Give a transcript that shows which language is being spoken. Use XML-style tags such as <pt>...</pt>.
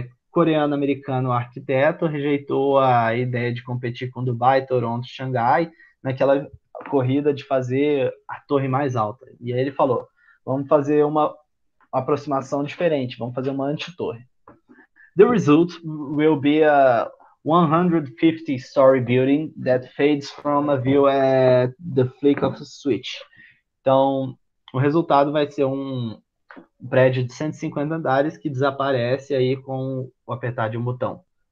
<pt>Coreano-americano arquiteto rejeitou a ideia de competir com Dubai, Toronto, Xangai, naquela corrida de fazer a torre mais alta. E aí ele falou: vamos fazer uma aproximação diferente, vamos fazer uma anti-torre.</pt> <en>The result will be a 150-story building that fades from a view at the flick of a switch.</en> <pt>Então, o resultado vai ser um prédio de 150 andares que desaparece aí com o apertar de um botão.</pt>